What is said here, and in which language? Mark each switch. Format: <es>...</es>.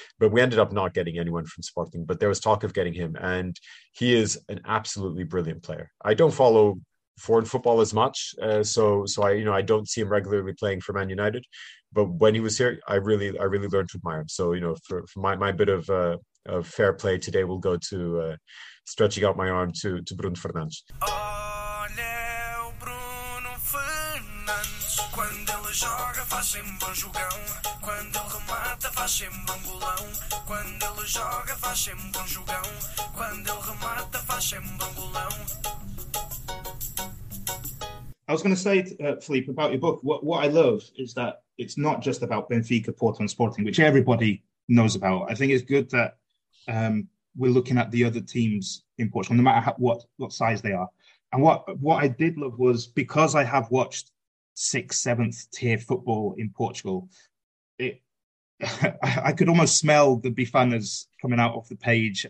<en>But we ended up not getting anyone from Sporting, but there was talk of getting him. And he is an absolutely brilliant player. I don't follow foreign football as much. I don't see him regularly playing for Man United, but when he was here, I really learned to admire him. So, you know, for my bit of fair play today will go to stretching out my arm to Bruno Fernandes.</en> <pt>Oh, Leo Bruno Fernandes, quando ele joga faz sempre bom jogão, quando ele remata faz sempre bom golão, quando ele joga faz sempre bom jogão, quando ele remata faz sempre bom golão.</pt> <en>I was going to say, Filipe, about your book, what I love is that it's not just about Benfica, Porto and Sporting, which everybody knows about. I think it's good that we're looking at the other teams in Portugal, no matter what size they are. And what I did love was, because I have watched 6th, 7th tier football in Portugal, I could almost smell the Bifanas coming out of the page.</en>